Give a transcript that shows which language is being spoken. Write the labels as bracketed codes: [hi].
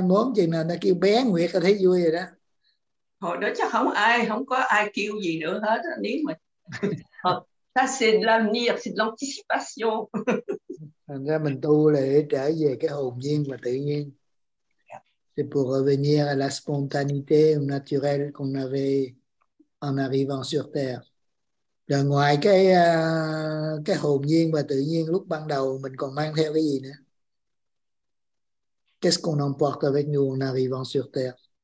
[vi] Mốt chừng nào ta kêu bé Nguyệt là thấy vui rồi Hồi đó chắc không có ai kêu gì nữa hết đó, nếu mà đó. [fr] ça c'est de l'avenir, c'est de l'anticipation. [vi] Thành ra mình tu là để trở về cái hồn nhiên và tự nhiên. [fr] C'est pour revenir à la spontanéité naturelle qu'on avait en arrivant sur Terre. [vi] Rồi ngoài cái hồn nhiên và tự nhiên lúc ban đầu mình còn mang theo cái gì nữa? [fr] Qu'est-ce qu'on emporte avec nous en arrivant sur Terre?